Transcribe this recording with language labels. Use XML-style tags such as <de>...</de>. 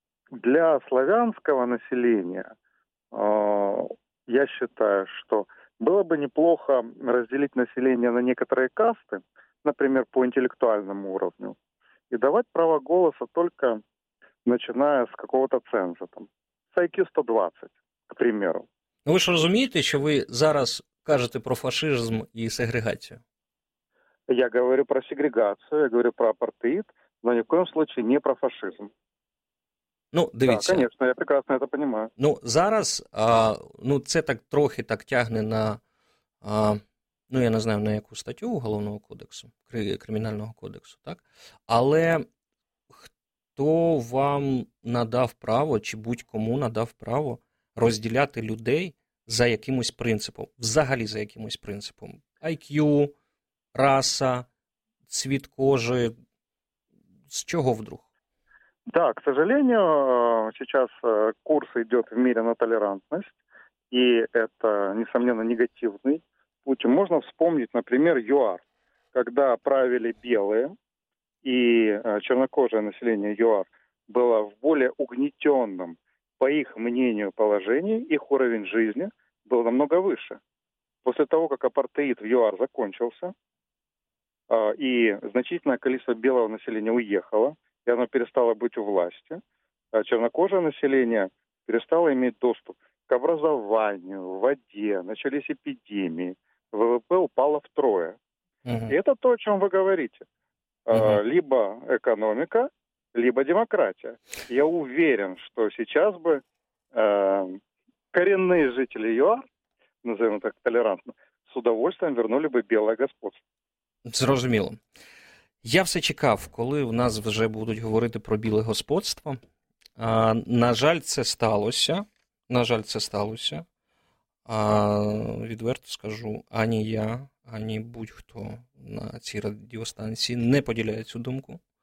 <ru>Для славянского населения я считаю, что было бы неплохо разделить население на некоторые касты, например, по интеллектуальному уровню, и давать право голоса только начиная с какого-то ценза, там, с IQ 120, к примеру. Ну, вы же разумеете, что вы</ru> <uk>зараз кажете</uk> <ru>про фашизм и сегрегацию. Я говорю про сегрегацию, я говорю про апартеид, но ни в коем случае не про фашизм.</ru> <uk>Ну, дивіться.</uk> <ru>Да, конечно, я прекрасно это понимаю.</ru> <uk>Ну, зараз, ну, це так трохи так тягне на, ну, я не знаю, на яку статтю Уголовного кодексу, Кримінального кодексу, так? Але хто вам надав право, чи будь-кому надав право розділяти людей за якимось принципом, взагалі за якимось принципом. IQ, раса, цвіт кожи, з чого вдруг?</uk> <ru>Да, к сожалению, сейчас курс идет в мире на толерантность, и это, несомненно, негативный путь. Можно вспомнить, например, ЮАР, когда правили белые, и чернокожее население ЮАР было в более угнетенном, по их мнению, положении, их уровень жизни был намного выше. После того, как апартеид в ЮАР закончился, и значительное количество белого населения уехало, и оно перестало быть у власти, чернокожее население перестало иметь доступ к образованию, воде, начались эпидемии, ВВП упало втрое. Угу. И это то, о чем вы говорите. Угу. Либо экономика, либо демократия. Я уверен, что сейчас бы коренные жители ЮАР, назовем так толерантно, с удовольствием вернули бы белое господство.</ru> <uk>Зрозуміло. Я все чекав, коли в нас вже будуть говорити про біле господство. На жаль, це сталося. На жаль, це сталося. Відверто скажу, ані я, ані будь-хто на цій радіостанції не поділяє цю думку.</uk>